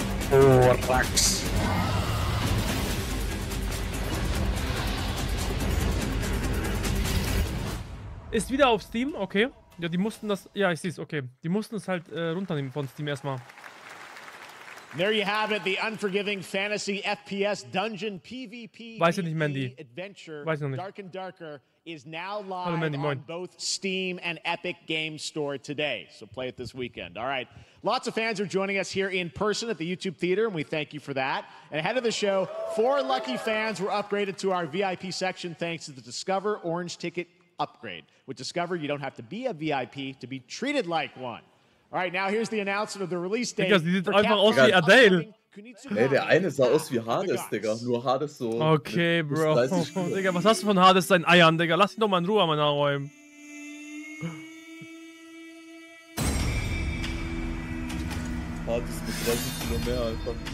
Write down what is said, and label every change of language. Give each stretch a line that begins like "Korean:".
German: Oh, Rax. Ist wieder auf Steam, okay. Ja, die mussten das. Ja, ich seh's, okay. Die mussten es halt runternehmen von Steam erstmal.
English: There you have it, the Unforgiving Fantasy FPS Dungeon PvP
German: Adventure. Weiß ich noch nicht.
English: Dark and Darker is now live on both Steam and Epic Game Store today. So play it this weekend. All right. Lots of fans are joining us here in person at the YouTube Theater, and we thank you for that. And ahead of the show, 4 lucky fans were upgraded to our VIP section thanks to the Discover Orange Ticket upgrade. With Discover, you don't have to be a VIP to be treated like one. All right, now here's the announcement of the release date.
German: Sie sieht einfach aus wie Adele. Ey, der eine sah aus wie Hades, Digga. Nur Hades so. Okay, Bro. Digga, was hast du von Hades seinen Eiern, Digga? Lass ihn doch mal in Ruhe, meine Räume. Hades mit 30 Kilo mehr, einfach.